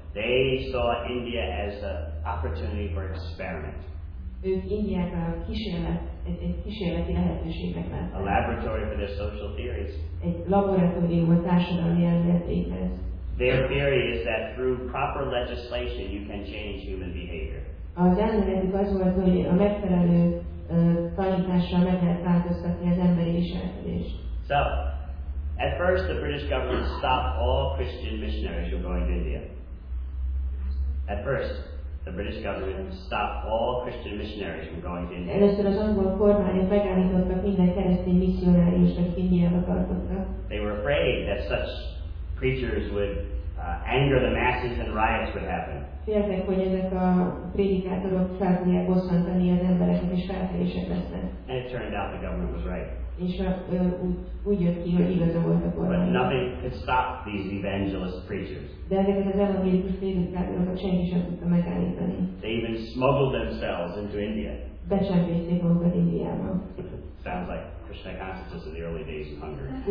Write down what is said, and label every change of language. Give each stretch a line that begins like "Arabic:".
English: They saw India as an opportunity for experiment.
Hungarian: Ők Indiára kísérleti lehetőségnek látták.
English: A laboratory for their social theories.
Hungarian: Egy laboratórium a társadalmi elméletekhez.
English: Their theory is that through proper legislation you can change human behavior.
Hungarian: Az elméletük az volt, hogy a megfelelő tanítással meg lehet változtatni az emberi viselkedést.
English: So, at first the British government stopped all Christian missionaries from going to India. At first, the British government stopped all Christian missionaries from going to India.
Hungarian: Először az angol kormányok megállítottak minden keresztény missionáriust, akik Indiába tartottak.
English: They were afraid that such preachers would anger the masses and riots would happen.
Hungarian: Féltek, hogy ezek a prédikátorok fel tudják bosszantani az embereket, és feltörések lesznek.
English: And it turned out the government was right.
Hungarian: És úgy jött ki, hogy igaza volt a kormány.
English: But nothing could stop these evangelist preachers.
Hungarian: De ezeket az evangélikus prédikátorokat senki sem tudta megállítani.
English: They even smuggled themselves into India.
Hungarian: Becsempészték magukat Indiába.
English: Sounds like Krishna consciousness of the early days of Hungary.